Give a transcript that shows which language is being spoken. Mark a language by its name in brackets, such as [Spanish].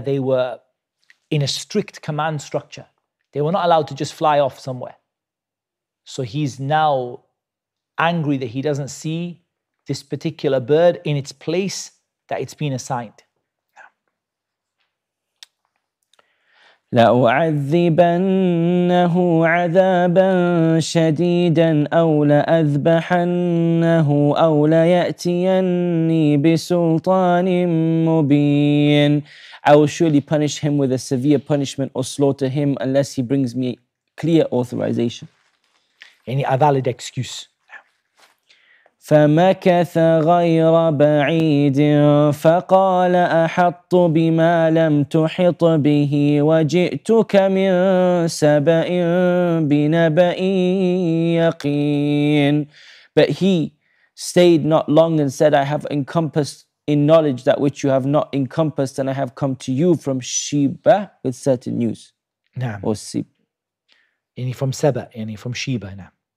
[English] They were in a strict command structure. They were not allowed to just fly off somewhere. So he's now angry that he doesn't see this particular bird in its place that it's been assigned. [Arabic] لأعذبنه عذابا شديدا أو لأذبحنه أو ليأتيني بسلطان مبين. [English] I will surely punish him with a severe punishment or slaughter him unless he brings me clear authorization. يعني a valid excuse. [Arabic] فمكث غير بعيد فقال أحط بما لم تحط به وجئتك من سبأ بنبأ يقين. [English] But he stayed not long and said, I have encompassed in knowledge that which you have not encompassed, and I have come to you from Sheba with certain news. [Arabic] نعم. [English] Or Sib. يعني from Sabah, يعني from Sheba. [Arabic] نعم.